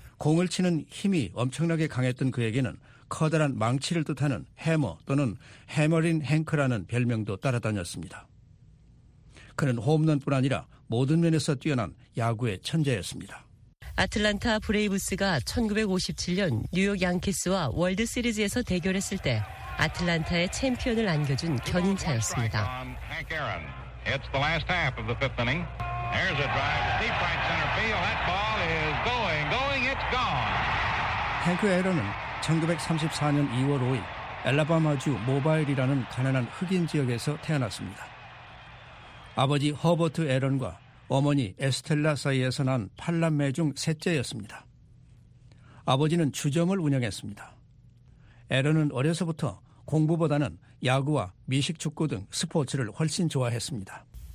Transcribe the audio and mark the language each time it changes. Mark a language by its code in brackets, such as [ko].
[ko] 공을 치는 힘이 엄청나게 강했던 그에게는 커다란 망치를 뜻하는 해머 또는 해머린 행크라는 별명도 따라다녔습니다. 그는 홈런뿐 아니라 모든 면에서 뛰어난 야구의 천재였습니다. 애틀랜타 브레이브스가 1957년 뉴욕 양키스와 월드 시리즈에서 대결했을 때 애틀랜타의 챔피언을 안겨준 견인차였습니다. [en] It's the last half of the fifth inning. There's a drive to deep right center field. That ball is going, going, it's gone. [ko] 헨크 에런은 1934년 2월 5일 앨라바마주 모바일이라는 가난한 흑인 지역에서 태어났습니다. 아버지 허버트 에런과 어머니 에스텔라 사이에서 난 8남매 중 셋째였습니다. 아버지는 주점을 운영했습니다. 에런은 어려서부터 공부보다는 야구와 미식축구 등 스포츠를 훨씬 좋아했습니다.